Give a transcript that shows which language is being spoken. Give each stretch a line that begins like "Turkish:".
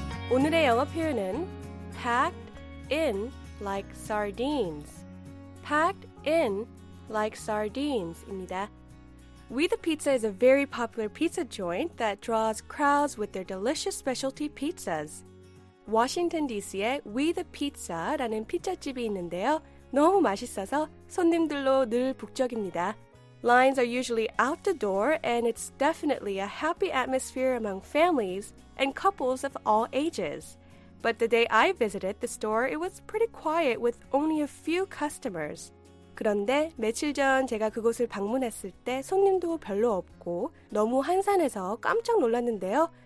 Korean: 오늘의 영어 표현은
English: packed in like sardines. Packed in like sardines입니다.
Korean: We the Pizza is a very popular pizza joint that draws crowds with their delicious specialty pizzas. Washington DC에 We the Pizza라는 피자집이 있는데요. 너무 맛있어서 손님들로 늘 북적입니다.
English: Lines are usually out the door and it's definitely a happy atmosphere among families and couples of all ages. But the day I visited the store, it was pretty quiet with only a few customers.
Korean: 그런데 며칠 전 제가 그곳을 방문했을 때 손님도 별로 없고 너무 한산해서 깜짝 놀랐는데요.